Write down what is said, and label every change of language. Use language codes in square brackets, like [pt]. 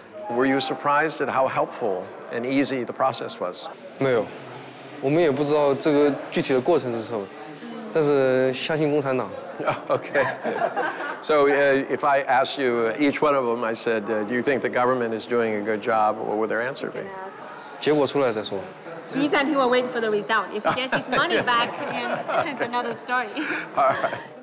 [en] Were you surprised at how helpful and easy the process was? [zh] 没有，我们也不知道这个具体的过程是什么，但是相信共产党。 [en] Okay. So, if I asked you each one of them, I said, do you think the government is doing a good job? What would their answer be? [zh] 结果出来再说。 [en] He said he will wait for the result. If he gets his money back, it's another story. All right.